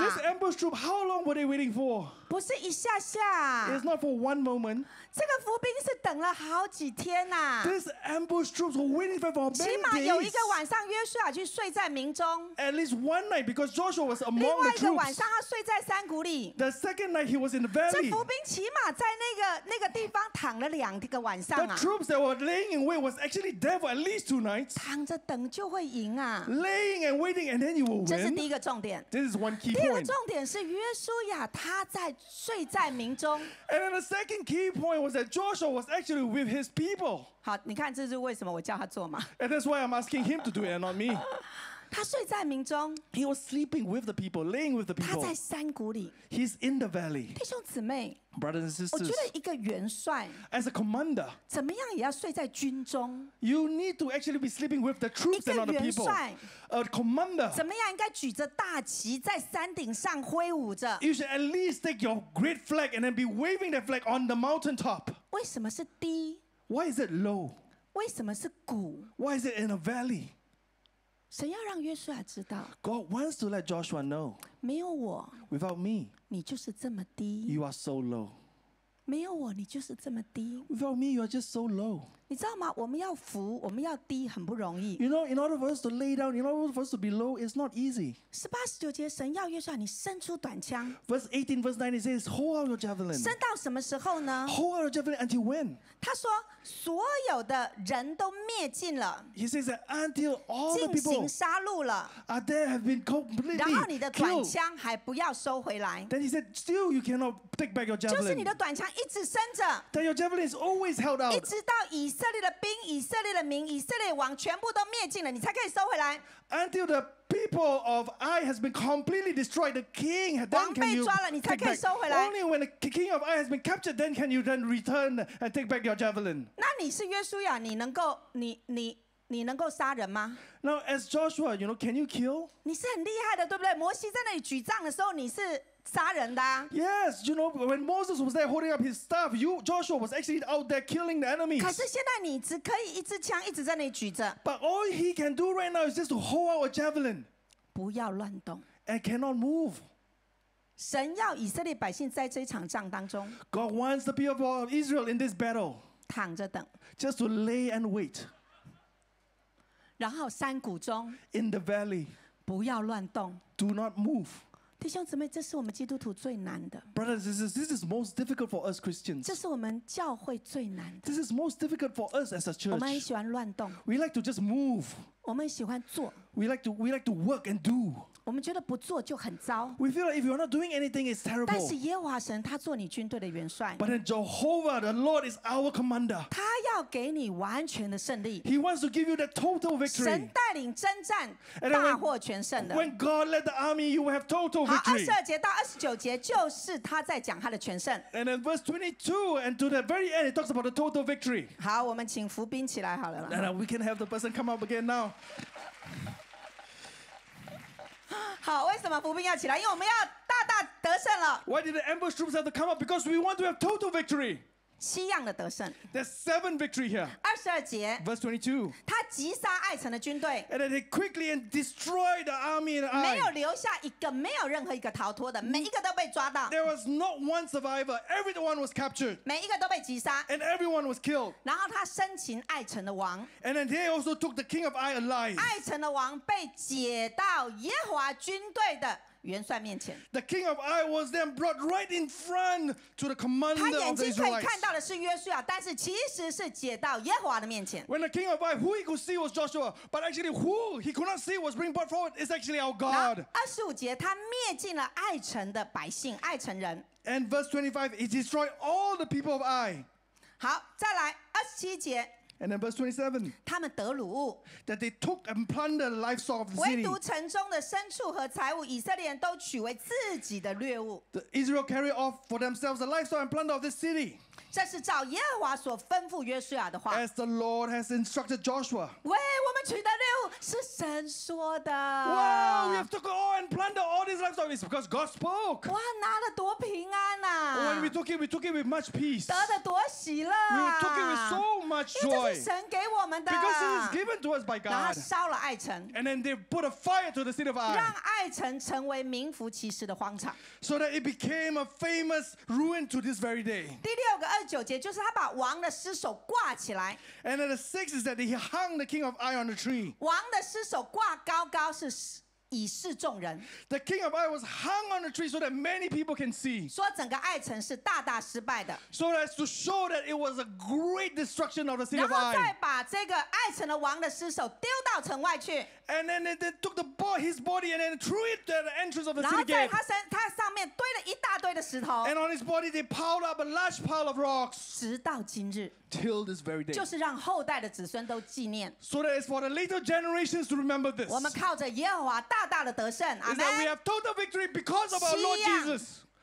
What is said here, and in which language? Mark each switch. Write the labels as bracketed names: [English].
[English] ？This ambush troop, how long were they waiting for? [Chinese] 不是一下下。 [English] It's not for one moment. [Chinese] 这个伏兵是等了好几天啊。 [English] This ambush troops were waiting for many days. [Chinese] 起码有一个晚上，约书亚去睡在民中。 [English] At least one night, because Joshua was among the troops. [Chinese] 另外一个晚上，他睡在山谷里。 [English] The second night, he was in the valley. [Chinese] 这伏兵起码在那个地方躺了两个晚上啊。 [English] The troops that were laying in wait was actually there for at least two nights. [Chinese] 躺着等就会赢啊。 [English] Laying and waiting, and then you will win. [Chinese] 这是第一个重点。 [English] This is one key point. [Chinese] 第二个重点是约书亚他在睡在民中。 [English] And then the second key point was that Joshua was actually with his people. [Chinese] 好，你看这是为什么我叫他做嘛 [English] ？And that's why I'm asking him to do it, and not me. [Chinese] 他睡在民中。 [English] He was sleeping with the people, laying with the people. [Chinese] 他在山谷里。 [English] He's in the valley. [Chinese] 弟兄姊妹 [English] ，Brothers and sisters. [Chinese] 我觉得一个元帅 [English] ，As a commander, [Chinese] 怎么样也要睡在军中。 [English] You need to actually be sleeping with the troops and not the people. [Chinese] 一个元帅 [English] ，A commander, [Chinese] 怎么样应该举着大旗在山顶上挥舞着。 [English] You should at least take your great flag and then be waving that flag on the mountain top. [Chinese] 为什么是低 [English] ？Why is it low? [Chinese] 为什么是谷 [English] ？Why is it in a valley? [Chinese] 神要让约书亚知道 [English] ，God wants to let Joshua know， [Chinese] 没有我 [English] ，without me， [Chinese] 你就是这么低 [English] ，you are so low， [Chinese] 没有我，你就是这么低 [English] ，without me， you are just so low。 [Chinese] 你知道吗？我们要服，我们要低，很不容易。 [English] You know, in order for us to lay down, in order for us to be low, it's not easy. [Chinese] 十八十九节，神要约书亚你伸出短枪。 [English] Verse 18, verse 19 says, "Hold out your javelin." [Chinese] 伸到什么时候呢 [English] ？Hold out your javelin until when? [Chinese] 他说，所有的人都灭尽了。 [English] He says that until all the people [Chinese] 进行杀戮了。 [English] Are there have been completely killed? [Chinese] 然后你的短枪还不要收回来。 [English] Then he said, "Still, you cannot take back your javelin." [Chinese] 就是你的短枪一直伸着。 [English] That your javelin is always held out. [Chinese] 一直到以色列的兵，以色列的民，以色列王全部都灭尽了，你才可以收回来。 [English] Until the people of Ai has been completely destroyed, the king then can you take back? Only when the king of Ai has been captured, then can you then return and take back your javelin. [Chinese] 那你是约书亚，你能够杀人吗 [English] ？Now as Joshua, you know, can you kill? [Chinese] 你是很厉害的，对不对？摩西在那里举杖的时候，你是。杀人的啊 [English] Yes, you know, when Moses was there holding up his staff, Joshua was actually out there killing the enemies. [Chinese] 可是现在你只可以一支枪一直在那里举着。 [English] But all he can do right now is just to hold out a javelin. [Chinese] 不要乱动。 [English] And cannot move. [Chinese] 神要以色列百姓在这场仗当中。 [English] God wants the people of Israel in this battle. [Chinese] 躺着等。 [English] Just to lay and wait. [Chinese] 然后山谷中。 [English] In the valley. [Chinese] 不要乱动。 [English] Do not move. [Chinese] 弟兄姊妹，这是我们基督徒最难的。 [English] Brothers, this is most difficult for us Christians. [Chinese] 这是我们教会最难的。 [English] This is most difficult for us as a church. [Chinese] 我们很喜欢乱动。 [English] We like to just move. [Chinese] 我们喜欢做。 [English] We like to work and do. [Chinese] 我们觉得不做就很糟。 [English] We feel like if you're not doing anything, it's terrible. [Chinese] 但是耶和华神他做你军队的元帅。 [English] But then Jehovah, the Lord, is our commander. [Chinese] 他要给你完全的胜利。 [English] He wants to give you the total victory. [Chinese] 神带领征战，大获全胜的。 [English] When God led the army, you will have total victory. [Chinese] 好，二十二节到二十九节就是他在讲他的全胜。 [English] And then verse 22 and to the very end, it talks about the total victory. [Chinese] 好，我们请服兵起来好了。 [English] And we can have the person come up again now. [Chinese] 好，为什么伏兵要起来？因为我们要大大得胜了。 [English] Why did the ambush troops have to come up? Because we want to have total victory. [Chinese] 七样的得胜。 [English] There's seven victory here. [Chinese] 二十二节。 [English] Verse 22. [Chinese] 他击杀爱城的军队。 [English] And then they quickly and destroyed the army in Ai. [Chinese] 没有留下一个，没有任何一个逃脱的，每一个都被抓到。 [English] There was not one survivor. Everyone was captured. [Chinese] 每一个都被击杀。 [English] And everyone was killed. [Chinese] 然后他生擒爱城的王。 [English] And then they also took the king of Ai alive. [Chinese] 爱城的王被解到耶和华军队的。 [English] The king of Ai was then brought right in front to the commander of the Israelites. [Chinese] 他眼睛可以看到的是约书亚，但是其实是解到耶和华的面前。 [English] When the king of Ai, who he could see was Joshua, but actually who he could not see was being brought forward is actually our God. [Chinese] 二十五节，他灭尽了爱城的百姓，爱城人。 [English] And verse 25, he destroyed all the people of Ai. [Chinese] 好，再来二十七节。 [English] And then verse 27. [Chinese] 他们得掳, [English] that they took and plundered the livestock of the city. [Chinese] 唯独城中的牲畜和财物，以色列人都取为自己的掠物。 [English] The Israel carried off for themselves the livestock and plunder of this city. [Chinese] 这是照耶和华所吩咐约书亚的话。 [English] As the Lord has instructed Joshua. [Chinese] 喂，我们取的掠物是神说的。 [English] Wow, we have took all and plundered all these livestock. It's because God spoke. [Chinese] 哇，拿了多平安啊。 [English] When we took it with much peace. [Chinese] 得了多喜乐啊。 [English] We took it with so much joy. [Chinese] 这是神给我们的。 [English] Because it is given to us by God. [Chinese] 然后烧了爱城。 [English] And then they put a fire to the city of Ai. [Chinese] 让爱城成为名副其实的荒场。 [English] So that it became a famous ruin to this very day. [Chinese] 第六个二十九节就是他把王的尸首挂起来。 [English] And then the sixth is that he hung the king of Ai on the tree. [Chinese] 王的尸首挂高高是以示众人。 [English] The king of Ai was hung on the tree so that many people can see. [Chinese] 说整个爱城是大大失败的。 [English] So as to show that it was a great destruction of the city of Ai. [Chinese] 然后再把这个爱城的王的尸首丢到城外去。 [English] And then they took the body, his body, and then threw it at the entrance of the city gate. [Chinese] 然后在他上面堆了一大堆的石头。 [English] And on his body they piled up a large pile of rocks. [Chinese] 直到今日。 [English] Till this very day. [Chinese] 就是让后代的子孙都纪念。 [English] So that it's for the later generations to remember this. [Chinese] 我们靠着耶和华大大的得胜。 [English] Is that we have total victory because of our Lord Jesus.